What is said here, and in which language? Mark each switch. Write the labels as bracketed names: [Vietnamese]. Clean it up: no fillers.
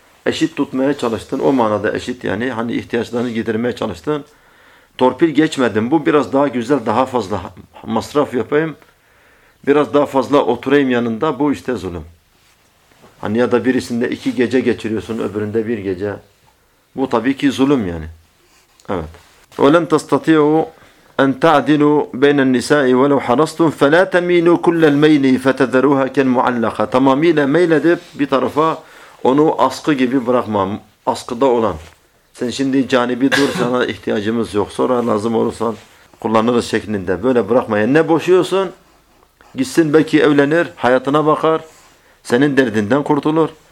[Turkish] Eşit tutmaya çalıştın. O manada eşit, yani hani ihtiyaçlarını gidirmeye çalıştın. Torpil geçmedin. Bu biraz daha güzel, daha fazla masraf yapayım. Biraz daha fazla oturayım yanında. Bu işte zulüm. Hani ya da birisinde iki gece geçiriyorsun, öbüründe bir gece. Bu tabii ki zulüm yani. Evet. [Arabic] وَلَمْ تَسْتَطِيَهُ أن تعدلوا بين النساء ولو حرصتم فلا تميلوا كل الميل فتذروها كالمعلقة. [Turkish] Tamamıyla meyledip bir tarafa onu askı gibi bırakma. Askıda olan. Sen şimdi canibi dur, sana ihtiyacımız yok. Sonra lazım olursan kullanırız şeklinde. Böyle bırakmaya ne boşuyorsun? Gitsin belki evlenir, hayatına bakar, senin derdinden kurtulur.